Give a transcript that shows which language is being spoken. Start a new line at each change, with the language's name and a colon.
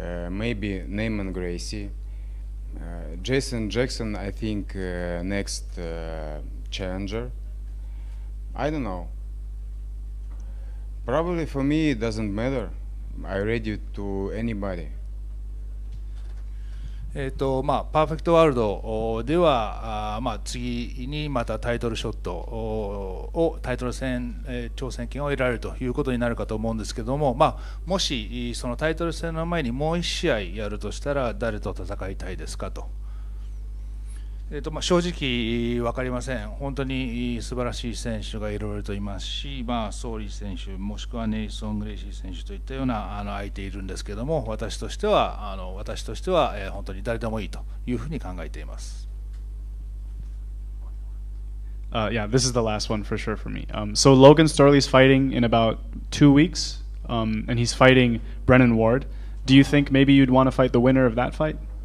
English: Maybe Neiman Gracie, Jason Jackson, I think next challenger. I don't know. Probably for me it doesn't matter. I'm ready to anybody.
Japanese: まあ、パーフェクトワールドでは、まあ、次にまたタイトルショットをタイトル戦挑戦権を得られるということになるかと思うんですけども、まあ、もしそのタイトル戦の前にもう1試合やるとしたら誰と戦いたいですかと。まあ、正直分かりません。本当に素晴らしい選手がいろいろといますし、まあ、ソーリー選手もしくはネイソン・グレイシー選手といったような相手いるんですけども、私としては本当に誰でもいいというふうに考えています。
English: Yeah, this is the last one for sure for me. So Logan Storley is fighting in about 2 weeks, and he's fighting Brennan Ward. Do you think maybe you'd want to fight the winner of that fight?